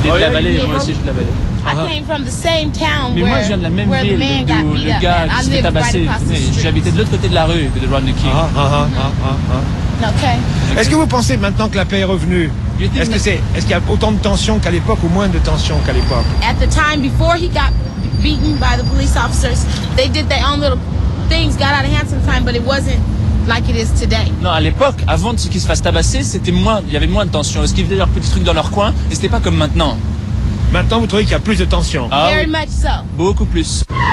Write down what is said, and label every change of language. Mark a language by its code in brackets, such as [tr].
[fr] Il est de la vallée, moi aussi je suis de la vallée. [en] I came from the same town. [fr] Mais moi je viens de la même ville d'où le gars qui s'est tabassé. J'habitais de l'autre côté de la rue de Rodney King. Ah. [en] Okay. [fr] Est-ce que vous pensez maintenant que la paix est revenue? Est-ce qu'il y a autant de tension qu'à l'époque ou moins de tension qu'à l'époque? [en] At the time before he got beaten by the police officers, they did their own little things, got out of hand sometimes, but it wasn't like it is today. [fr] Non, à l'époque, avant de qu'ils se fassent tabasser, c'était moins, il y avait moins de tension. Est-ce qu'ils faisaient leurs petits trucs dans leur coin et c'était pas comme maintenant? Maintenant, vous trouvez qu'il y a plus de tension? [en] Ah, very much so. [fr] Beaucoup plus.